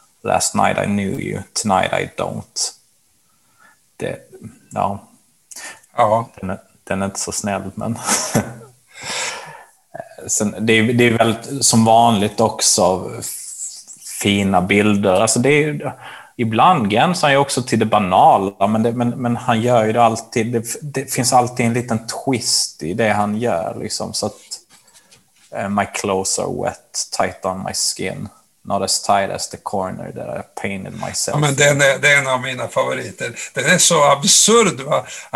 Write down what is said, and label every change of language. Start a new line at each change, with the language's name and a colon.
English: Last night I knew you, tonight I don't.
Swedish: Det, ja. Ja. Den är inte så snäll, men sen, det är väl som vanligt också fina bilder. Alltså det är, ibland gränsar han ju också till det banala, men han gör ju det alltid. Det finns alltid en liten twist i det han gör, liksom, så att
English: my clothes are wet, tight on my skin. Not as tight as the corner that I painted myself.
Swedish: Ja, men det är en av mina favoriter. Den är så absurd, va?